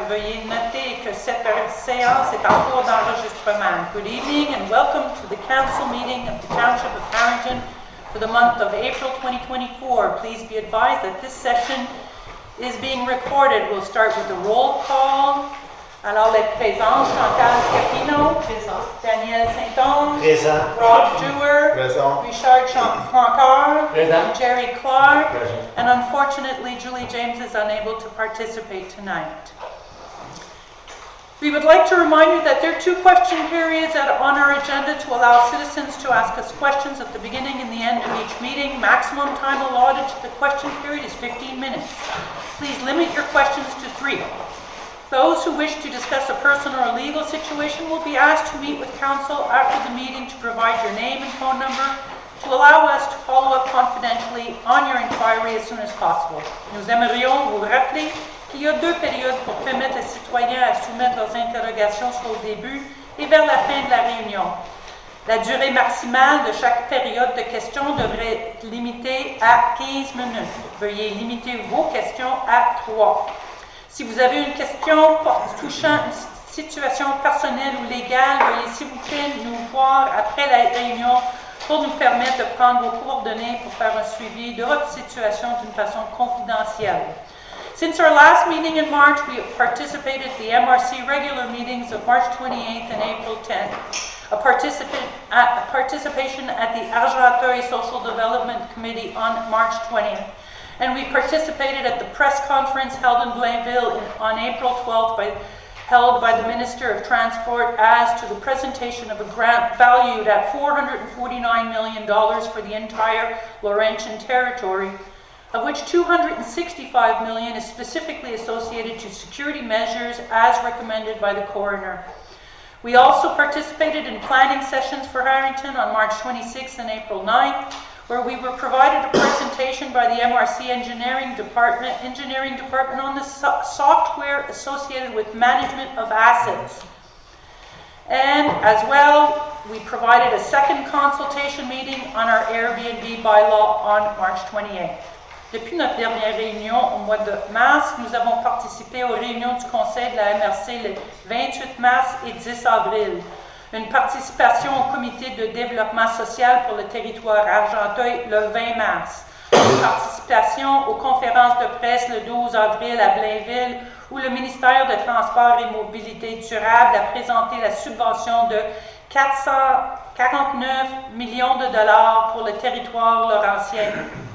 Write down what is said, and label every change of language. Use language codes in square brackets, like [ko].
[fr] Veuillez noter que cette séance est en cours d'enregistrement. [en] Good evening and welcome to the council meeting of the Township of Harrington for the month of April 2024. Please be advised that this session is being recorded. We'll start with the roll call. [fr] Alors les présents, [en] Chantal Scapino. [fr] Présent. Daniel Saint-Onge. Présent. Rob Dewar. Présent. Richard Francard. Présent. Jerry Clark. Présent. [en] And unfortunately, Julie James is unable to participate tonight. We would like to remind you that there are two question periods on our agenda to allow citizens to ask us questions at the beginning and the end of each meeting. Maximum time allotted to the question period is 15 minutes. Please limit your questions to three. Those who wish to discuss a personal or legal situation will be asked to meet with counsel after the meeting to provide your name and phone number to allow us to follow up confidentially on your inquiry as soon as possible. [fr] Nous aimerions vous rappeler qu'il y a deux périodes pour permettre aux citoyens à soumettre leurs interrogations au début et vers la fin de la réunion. La durée maximale de chaque période de questions devrait être limitée à 15 minutes. Veuillez limiter vos questions à 3. Si vous avez une question touchant une situation personnelle ou légale, veuillez s'il vous plaît nous voir après la réunion pour nous permettre de prendre vos coordonnées pour faire un suivi de votre situation d'une façon confidentielle. [en] Since our last meeting in March, we have participated in the MRC regular meetings of March 28th and April 10th. A participation at the Argenteuil Social Development Committee on March 20th. And we participated at the press conference held in Blainville on April 12th, held by the Minister of Transport, as to the presentation of a grant valued at $449 million for the entire Laurentian territory, of which $265 million is specifically associated to security measures as recommended by the coroner. We also participated in planning sessions for Harrington on March 26th and April 9th, where we were provided a presentation by the MRC Engineering Department on the software associated with management of assets. And as well, we provided a second consultation meeting on our Airbnb bylaw on March 28th. [fr] Depuis notre dernière réunion au mois de mars, nous avons participé aux réunions du conseil de la MRC le 28 mars et 10 avril. Une participation au comité de développement social pour le territoire Argenteuil le 20 mars. Une participation aux conférences de presse le 12 avril à Blainville, où le ministère de Transport et Mobilité Durable a présenté la subvention de 449 millions de dollars pour le territoire laurentien.